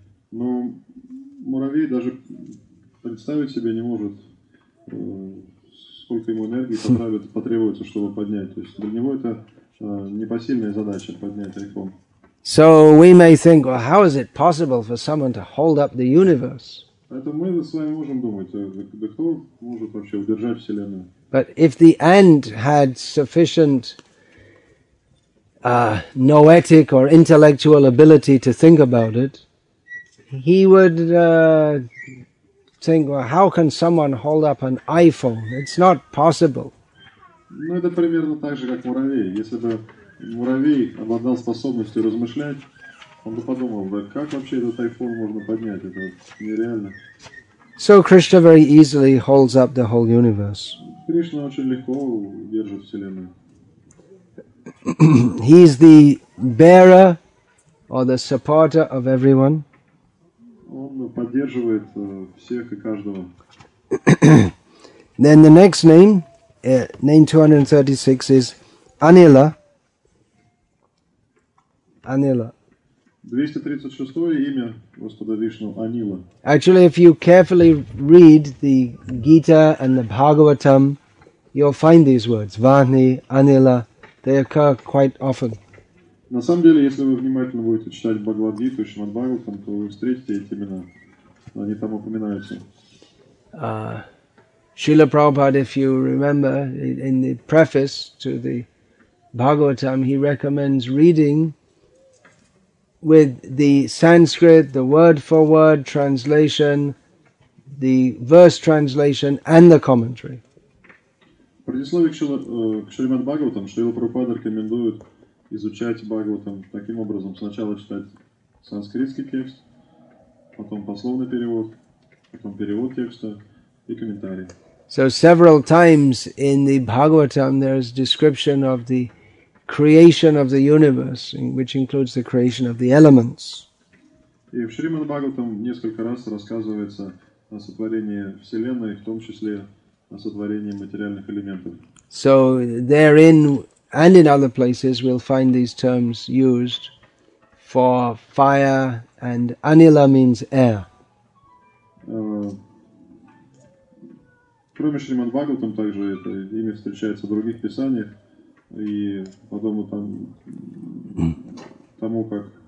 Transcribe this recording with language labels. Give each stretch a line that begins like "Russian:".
Russian: Но муравей даже представить себе не может, сколько ему энергии потребуется, чтобы поднять. То есть для него это непосильная задача поднять iPhone.
English: So we may think, well, how is it possible for someone to hold up the universe?
Russian: Поэтому мы с вами можем думать, да кто может вообще удержать вселенную?
English: But if the ant had sufficient noetic or intellectual ability to think about it, he would think, well, how can someone hold up an iPhone? It's not possible.
Russian: Ну, это примерно так же, как муравей. Если бы муравей обладал способностью размышлять, он бы подумал, да как вообще этот iPhone можно поднять? Это нереально.
English: So Krishna very easily holds up the whole universe.
Russian: Кришна очень легко держит вселенную.
English: He is the bearer or the supporter of everyone.
Russian: Он поддерживает всех и каждого.
English: Then the next name, name 236, is Anila. Anila.
Russian: 236 имя Господа Вишну Анила.
English: Actually, if you carefully read the Gita and the Bhagavatam, you'll find these words, Vani, Anila, they occur quite often.
Russian: На самом деле, если вы внимательно будете читать Бхагавад-гиту, Шримад-Бхагаватам, то вы встретите эти имена. Они там упоминаются.
English: Шрила Прабхупада, if you remember, in the preface to the Bhagavatam, he recommends reading with the Sanskrit, the word-for-word translation, the verse translation, and the commentary.
Russian: В предисловии к Шримад Бхагаватам Шрила Прабхупада рекомендует изучать Бхагаватам таким образом. Сначала читать санскритский текст, потом пословный перевод, потом перевод текста и комментарий.
English: So several times in the Bhagavatam there's description of the creation of the universe, which includes the creation of the elements.
Russian: И в Шримад-Бхагаватам несколько раз рассказывается о сотворении Вселенной, в том числе о сотворении материальных элементов.
English: So therein and in other places we'll find these terms used for fire, and anila means air.
Russian: Кроме Шримад-Бхагаватам, также это имя встречается в других писаниях и подобно там тому, как